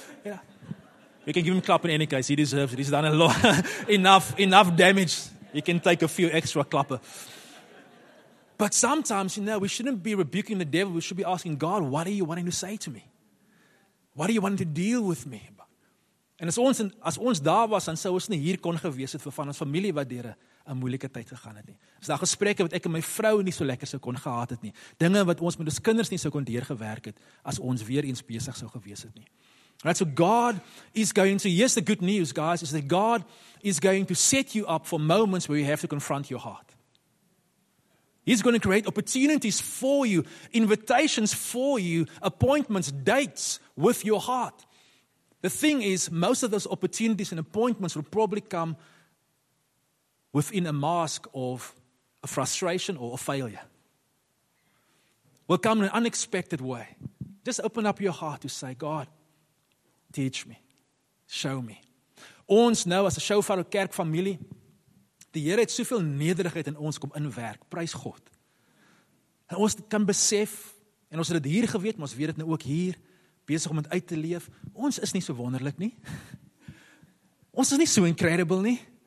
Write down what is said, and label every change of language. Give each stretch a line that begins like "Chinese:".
English: Yeah. We can give him a clap in any case. He deserves it. He's done a lot. enough damage. He can take a few extra clapper. But sometimes, you know, we shouldn't be rebuking the devil. We should be asking God, what are you wanting to say to me? What are you wanting to deal with me?
Afrikaans: En as ons daar was, dan sou ons nie hier kon gewees het vir van ons familie wat deur 'n moeilike tyd gegaan het nie. Is daar gesprekke wat ek en my vrou nie so lekker sou kon gehad het nie. Dinge wat ons met ons kinders nie sou kon deurgewerk het, as ons weer eens besig sou gewees het nie.
English: Right, so God is going to, here's the good news guys, is that God is going to set you up for moments where you have to confront your heart. He's going to create opportunities for you, invitations for you, appointments, dates with your heart. The thing is, most of those opportunities and appointments will probably come within a mask of a frustration or a failure. Will come in an unexpected way. Just open up your heart to say, God, teach me. Show me.
Afrikaans: Ons nou, as 'n Shofar kerk familie, die Here het soveel nederigheid in ons kom inwerk. Prys God. En ons kan besef, en ons het dit hier geweet, maar ons weet dit nou ook hier, besig om dit uit te leef. Ons is nie so wonderlik nie. Ons is nie so incredible nie.